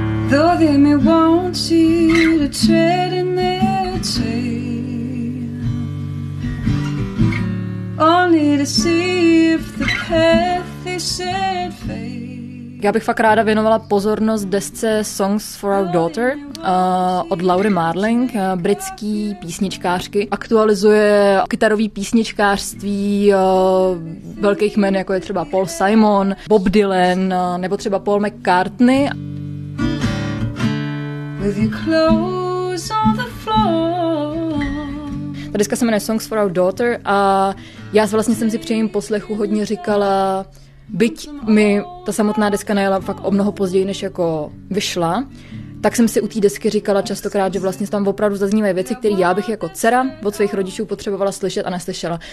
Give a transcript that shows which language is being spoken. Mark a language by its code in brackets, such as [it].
[en] Though they may want you to tread in their trail, only to see if the path they set fails. [cs] Já bych fakt ráda věnovala pozornost desce Songs for Our Daughter od Laury Marling, britský písničkářky. Aktualizuje kytarový písničkářství velkých jmen, jako je třeba Paul Simon, Bob Dylan nebo třeba Paul McCartney. [en] With your clothes on the floor. [cs] Ta deska se jmenuje Songs for Our Daughter a já vlastně jsem si při jejím poslechu hodně říkala, byť mi ta samotná deska najela fakt o mnoho později, než jako vyšla, tak jsem si u té desky říkala častokrát, že vlastně tam opravdu zaznívají věci, které já bych jako dcera od svých rodičů potřebovala slyšet a neslyšela.